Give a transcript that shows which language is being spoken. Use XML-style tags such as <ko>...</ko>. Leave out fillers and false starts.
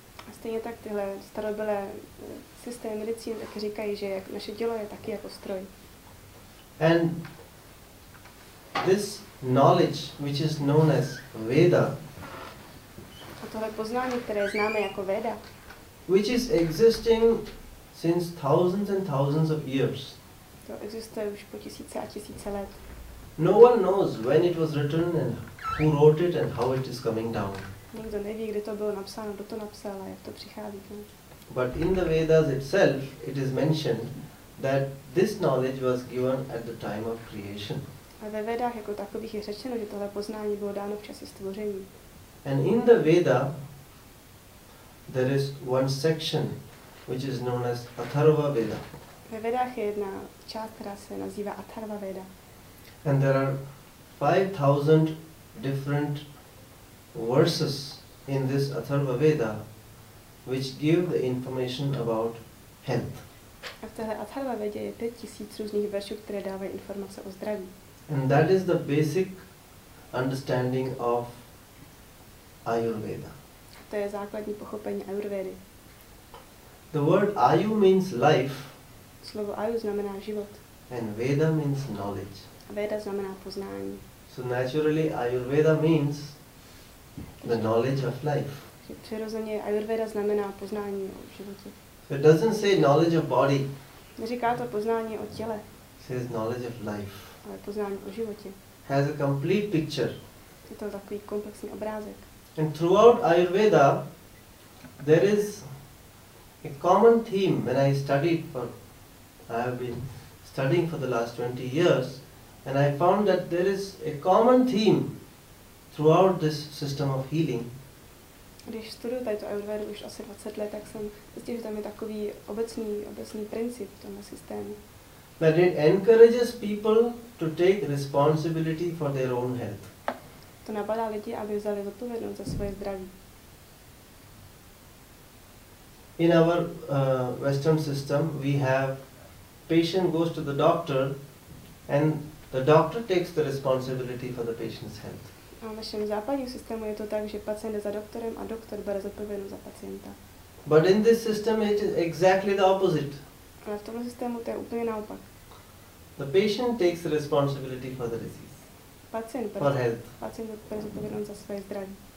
<cs>A stejně tak tyhle starobylé systémy medicíny taky říkají, že naše tělo je taky jako stroj.</cs> <en>And this knowledge, which is known as Veda,</en> <cs>a tohle poznání, které známe jako Veda,</cs> <en>which is existing since thousands and thousands of years,</en> <cs>to existuje už po tisíce a tisíce let.</cs> <en>No one knows when it was written and who wrote it and how it is coming down.</en> <cs>Nikdo neví, kdy to bylo napsáno, kdo to napsal a jak to přichází.</cs> <en>But in the Vedas itself, it is mentioned that this knowledge was given at the time of creation.</en> <cs>A ve Vedách jako takových je řečeno, že tohle poznání bylo dáno v čase stvoření.</cs> <en>And in the Veda, there is one section which is known as Atharva Veda.</en> <cs>Ve Vedách je jedna část, která se nazývá Atharva Veda.</cs> <en>And there are 5,000 different verses in this Atharva Veda, which give the information about health.</en> <cs>A v téhle Atharva Vedě je 5,000 různých veršů, které dávají informace o zdraví.</cs> <en>And that is the basic understanding of Ayurveda.</en> <cs>To je základní pochopení Ayurvedy.</cs> <en>The word Ayu means life.</en> <cs>Slovo Ayu znamená život.</cs> <en>And Veda means knowledge.</en> <cs>A Veda znamená poznání.</cs> <en>So naturally Ayurveda means the knowledge of life.</en> <cs>Přirozeně Ayurveda znamená poznání o životě.</cs> <en>It doesn't say knowledge of body.</en> <cs>Neříká to poznání o těle.</cs> <en>It says knowledge of life.</en> <cs>Ale poznání o životě.</cs> <en>Has a complete picture.</en> <cs>Je to takový komplexní obrázek.</cs> <en>And throughout Ayurveda, there is a common theme. When I have been studying for the last 20 years, and I found that there is a common theme throughout this system of healing.</en> <cs>Když studuju tady to Ayurvedu už asi 20 let, tak jsem zjistil, že tam je takový obecný princip v tomhle systému.</cs> <en>That it encourages people to take responsibility for their own health.</en> <cs>To nabádá lidi, aby vzali zodpovědnost za svoje zdraví.</cs> <en>In our Western system, we have patient goes to the doctor, and the doctor takes the responsibility for the patient's health.</en> <cs>A v našem západním systému je to tak, že pacient jde za doktorem a doktor bere zodpovědnost za pacienta.</cs> <en>But in this system, it is exactly the opposite.</en> <cs>Ale v tomhle systému to je úplně naopak.</cs> <en>The patient takes responsibility for the disease.</en> <cs>Pacient</cs> <en>for health.</en> <cs>Pacient bere zodpovědnost za své zdraví.</cs>